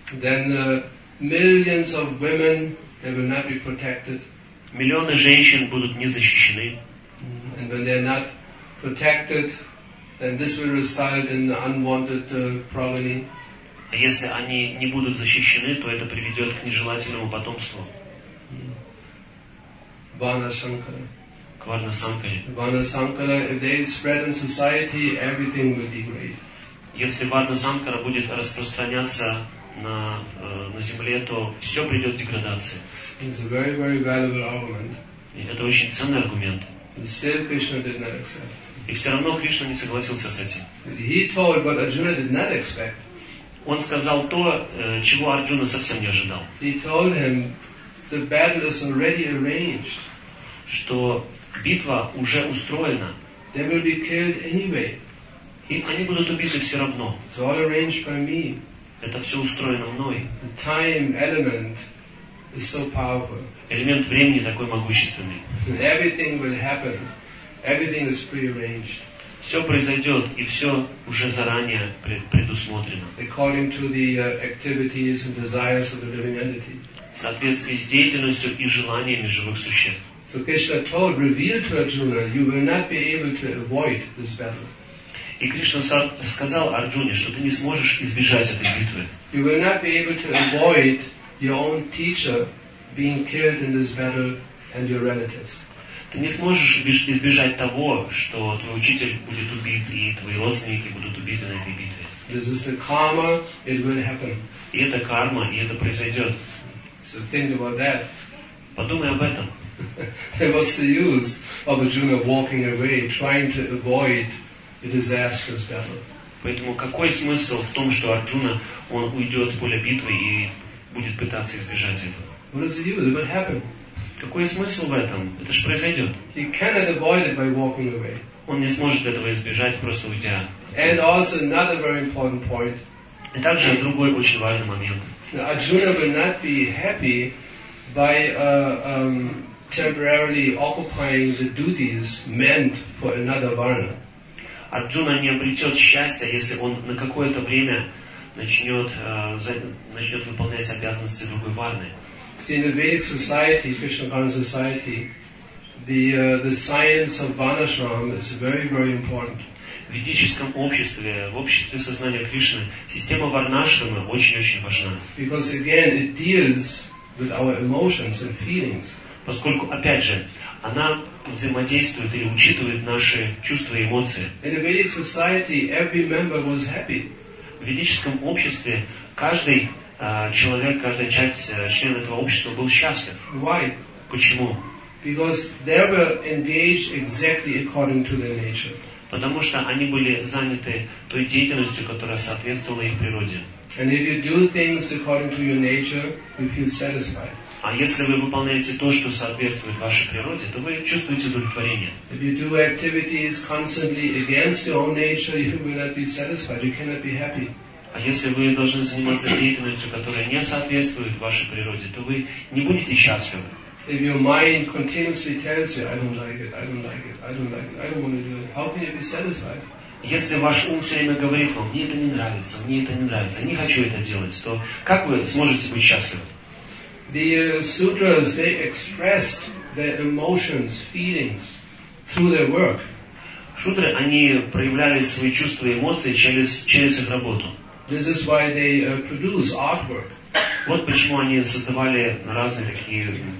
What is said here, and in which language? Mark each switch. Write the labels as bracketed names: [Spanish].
[English] Then millions of women, they will not be protected. [Russian] Миллионы женщин будут не защищены. [English] And when they are not protected, then this will result in unwanted progeny. [Russian] А если они не будут защищены, то это приведет к нежелательному потомству. Варна-санкара. [English] If they spread in society, everything will degrade. [Russian] Если варна-санкара будет распространяться на земле, то все придет к деградации. [English] It's a very, very valuable argument. [Russian] И это очень ценный аргумент. [English] And still Krishna did not accept. [Russian] И все равно Кришна не согласился с этим. [English] He told what Arjuna did not expect. [Russian] Он сказал то, чего Арджуна совсем не ожидал. [English] He told him the battle is already arranged. [Russian] Что битва уже устроена. [English] They will be killed anyway. [Russian] И они будут убиты все равно. [English] It's all arranged by me. [Russian] Это все устроено мной. [English] The time element is so powerful. [Russian] Элемент времени такой могущественный. [English] Everything will happen. Everything is pre-arranged. [Russian] Все произойдет, и все уже заранее предусмотрено. [English] According to the activities and desires of the living entity. [Russian] В соответствии с деятельностью и желаниями живых существ. [English] So Krishna told, revealed to Arjuna, you will not be able to avoid this battle. [Russian] И Кришна сказал Арджуне, что ты не сможешь избежать этой битвы. [English] You will not be able to avoid your own teacher being killed in this battle and your relatives. [Russian] Ты не сможешь избежать того, что твой учитель будет убит и твои родственники будут убиты на этой битве. [English] This is the karma, it will happen. [Russian] И это карма, и это произойдет. [English] So think about that. [Russian] Подумай об этом. [English] There was the use of Arjuna walking away, trying to avoid a disastrous battle. [Russian] Поэтому какой смысл в том, что Арджуна он уйдет с поля битвы и будет пытаться избежать этого? [English] What is the use? It will happen. [Russian] Какой смысл в этом? Это же произойдет. [English] He cannot avoid it by walking away. [Russian] Он не сможет этого избежать, просто уйдя. [English] And also another very important point. [Russian] И также другой очень важный момент. [English] Arjuna will not be happy by temporarily occupying the duties meant for another varna. [Russian] Arjuna не обретет счастья, если он на какое-то время начнет выполнять обязанности другой варны. [English] See, in the Vedic society, Krishna Consciousness society, the science of Varnashram is very, very important. [Russian] В ведическом обществе, в обществе сознания Кришны, система Варнашрама очень-очень важна. [English] Because again, it deals with our emotions and feelings. [Russian] Поскольку, опять же, она взаимодействует или учитывает наши чувства и эмоции. [English] In a Vedic society, every member was happy. [Russian] В ведическом обществе каждый человек, каждая часть члена этого общества был счастлив. [English] Why? [Russian] Почему? [English] Because they were engaged exactly according to their nature. [Russian] Потому что они были заняты той деятельностью, которая соответствовала их природе. [English] And if you do things according to your nature, you feel satisfied. [Russian] А если вы выполняете то, что соответствует вашей природе, то вы чувствуете удовлетворение. [English] If you do activities constantly against your own nature, you will not be satisfied. You cannot be happy. [Russian] А если вы должны заниматься деятельностью, которая не соответствует вашей природе, то вы не будете счастливы. [English] If your mind continuously tells you, I don't like it, I don't like it, I don't like it, I don't want to do it, how can you be satisfied? [Russian] Если ваш ум все время говорит вам, мне это не нравится, мне это не нравится, я не хочу это делать, то как вы сможете быть счастливы? [English] The sutras, they expressed their emotions, feelings through their work. [Russian] Шутры, они проявляли свои чувства и эмоции через их работу. [English] This is why they produce artwork. [Russian] Вот почему они создавали разные такие...